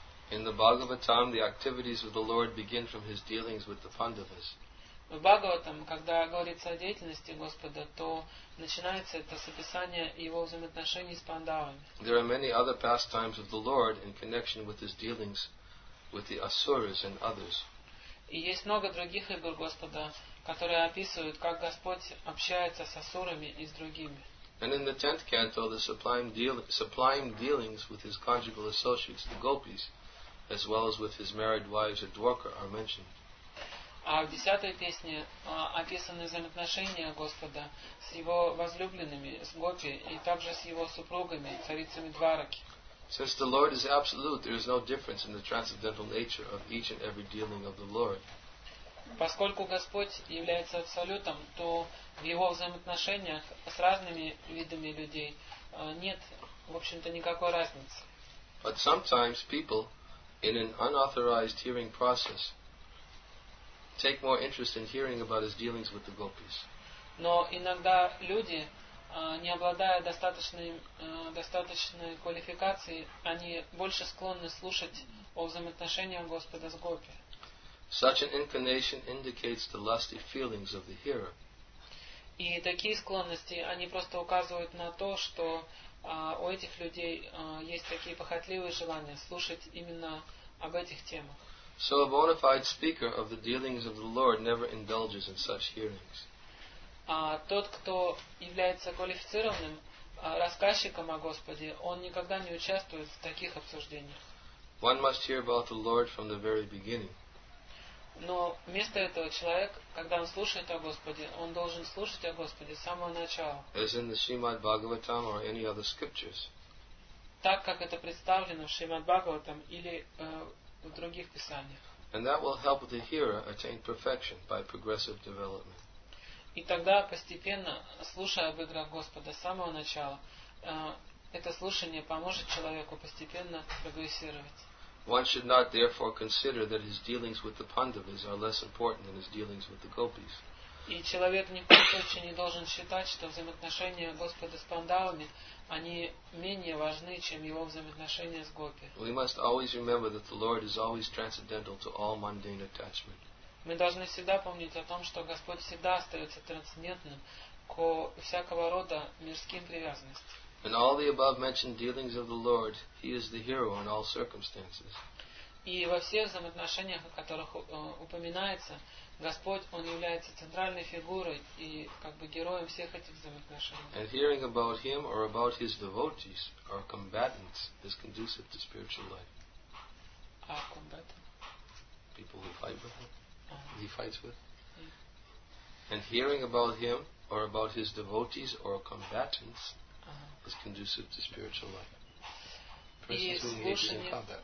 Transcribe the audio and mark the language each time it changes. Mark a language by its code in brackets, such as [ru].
[en] In the Bhagavatam, the activities of the Lord begin from His dealings with the Pandavas. [ru] В Бхагаватам, когда говорится о деятельности Господа, то начинается это с описания Его взаимоотношений с Пандавами. [en] There are many other pastimes of the Lord in connection with His dealings with the Asuras and others. [ru] И есть много других игр Господа, которые описывают, как Господь общается с Асурами и с другими. [en] And in the 10th canto, the sublime dealings with His conjugal associates, the Gopis, as well as with His married wives at Dwarka are mentioned. [ru] А в десятой песне описаны взаимоотношения Господа с Его возлюбленными, с Гопи, и также с Его супругами, царицами Двараки. [en] Since the Lord is absolute, there is no difference in the transcendental nature of each and every dealing of the Lord. [ru] Поскольку Господь является абсолютом, то в Его взаимоотношениях с разными видами людей нет, в общем-то, никакой разницы. [en] But sometimes people, in an unauthorized hearing process, take more interest in hearing about his dealings with the gopis. [ru] Но иногда люди, не обладая достаточной квалификацией, они больше склонны слушать о взаимоотношениях Господа с гопи. [en] Such an inclination indicates the lusty feelings of the hearer. [ru] И такие склонности, они просто указывают на то, что у этих людей есть такие похотливые желания слушать именно об этих темах. [en] So a bona fide speaker of the dealings of the Lord never indulges in such hearings. [ru] Тот, кто является квалифицированным рассказчиком о Господе, он никогда не участвует в таких обсуждениях. [en] One must hear about the Lord from the very beginning. [ru] Но вместо этого человек, когда он слушает о Господе, он должен слушать о Господе с самого начала. [en] As in the Srimad Bhagavatam or any other scriptures. [ru] Так, как это представлено в Шримад Бхагаватам или в других писаниях. [en] And that will help the hearer attain perfection by progressive development. [ru] И тогда, постепенно, слушая об играх Господа с самого начала, это слушание поможет человеку постепенно прогрессировать. [en] One should not therefore consider that his dealings with the Pandavas are less important than his dealings with the Gopis. [ru] И человек ни в коем случае не должен считать, что взаимоотношения Господа с Пандавами, они менее важны, чем его взаимоотношения с Гопи. [en] We must always remember that the Lord is always transcendental to all mundane attachment. [ru] Мы должны всегда помнить о том, что Господь всегда остается трансцендентным ко всякого рода мирским привязанностям. [en] In all the above mentioned dealings of the Lord, He is the hero in all circumstances. [ru] И во всех взаимоотношениях, о которых упоминается, Господь, Он является центральной фигурой и как бы героем всех этих взаимоотношений. [en] And hearing about Him or about His devotees or combatants is conducive to spiritual life. А combatant? People who fight with Him. Uh-huh. He fights with. Yeah. And hearing about Him or about His devotees or combatants is conducive to spiritual life.